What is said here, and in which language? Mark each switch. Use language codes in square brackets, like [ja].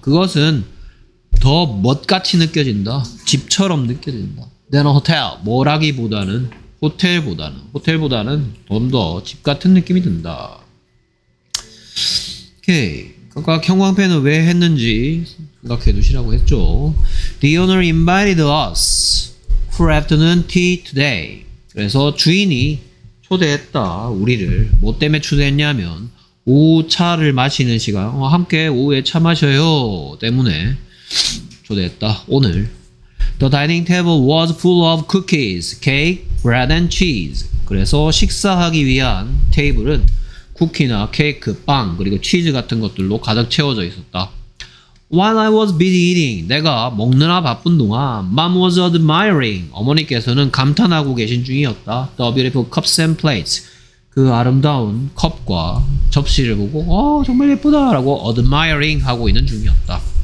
[ko] 그것은 더 멋같이 느껴진다. 집처럼 느껴진다. [en] Than a hotel. [ko] 뭐라기보다는 호텔보다는. 호텔보다는 좀 더 집같은 느낌이 든다. 오케이. 아까 형광펜을 왜 했는지 생각해 두시라고 했죠. [en] The owner invited us for afternoon tea today. [ko] 그래서 주인이 초대했다. 우리를. 뭐 때문에 초대했냐면 오후 차를 마시는 시간. 함께 오후에 차 마셔요. 때문에 초대했다. 오늘. [en] The dining table was full of cookies, cake, bread and cheese. [ko] 그래서 식사하기 위한 테이블은 쿠키나 케이크, 빵, 그리고 치즈 같은 것들로 가득 채워져 있었다. [en] While I was busy eating, [ko] 내가 먹느라 바쁜 동안, [en] Mom was admiring, [ko] 어머니께서는 감탄하고 계신 중이었다. [en] The beautiful cups and plates, [ko] 그 아름다운 컵과 접시를 보고, 어, 정말 예쁘다, 라고 admiring 하고 있는 중이었다.